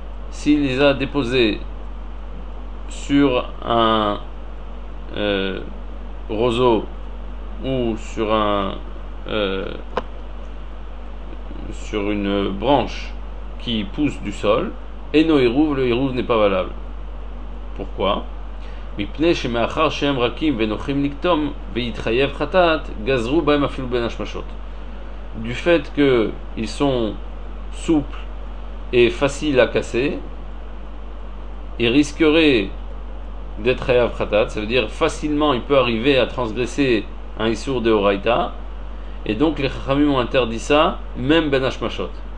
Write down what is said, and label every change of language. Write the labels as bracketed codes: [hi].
[fr] S'il les a déposés sur un roseau ou sur un sur une branche qui pousse du sol, eno hérouv, le hérouv n'est pas valable. Pourquoi? [he] מפני שמאחר שהם רכים ונוחים לקטום ויתחייב חטאת גזרו בהם אפילו בין השמשות. [fr] Du fait qu'ils sont souples et faciles à casser, ils risqueraient d'être chayav chatat, ça veut dire facilement il peut arriver à transgresser un issur de oraita, et donc les chachamim ont interdit ça, même ben hashmashot.